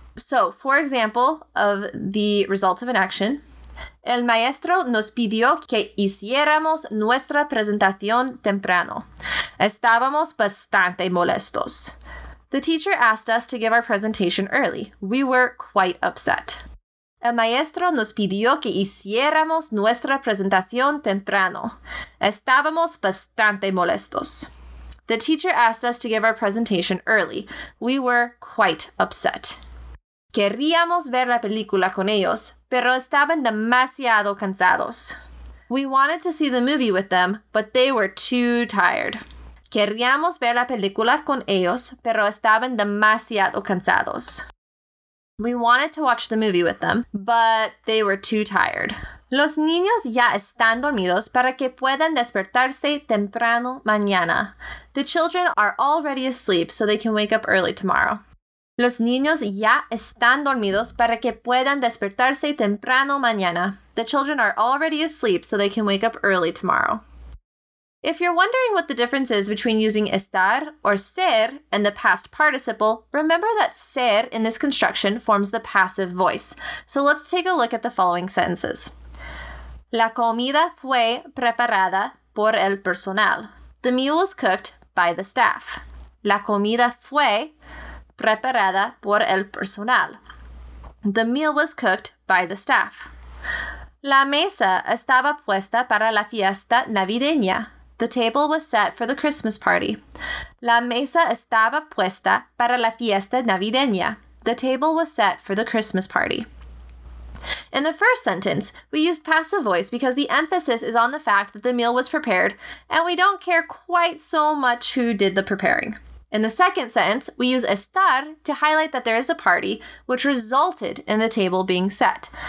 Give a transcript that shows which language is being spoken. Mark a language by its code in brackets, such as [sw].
[en] So, for example of the result of an action, [es] el maestro nos pidió que hiciéramos nuestra presentación temprano. Estábamos bastante molestos. [en] The teacher asked us to give our presentation early. We were quite upset. [es] El maestro nos pidió que hiciéramos nuestra presentación temprano. Estábamos bastante molestos. [en] The teacher asked us to give our presentation early. We were quite upset. [es] Queríamos ver la película con ellos, pero estaban demasiado cansados. [en] We wanted to see the movie with them, but they were too tired. [es] Queríamos ver la película con ellos, pero estaban demasiado cansados. [en] We wanted to watch the movie with them, but they were too tired. [es] Los niños ya están dormidos para que puedan despertarse temprano mañana. [en] The children are already asleep, so they can wake up early tomorrow. [es] Los niños ya están dormidos para que puedan despertarse temprano mañana. [en] The children are already asleep so they can wake up early tomorrow. If you're wondering what the difference is between using estar or ser in the past participle, remember that ser in this construction forms the passive voice. So let's take a look at the following sentences. [es] La comida fue preparada por el personal. [en] The meal was cooked by the staff. [es] La comida fue preparada por el personal. [en] The meal was cooked by the staff. [es] La mesa estaba puesta para la fiesta navideña. [en] The table was set for the Christmas party. [es] La mesa estaba puesta para la fiesta navideña. [en] The table was set for the Christmas party. In the first sentence, we used passive voice because the emphasis is on the fact that the meal was prepared, and we don't care quite so much who did the preparing. In the second sentence, we use estar to highlight that there is a party, which resulted in the table being set.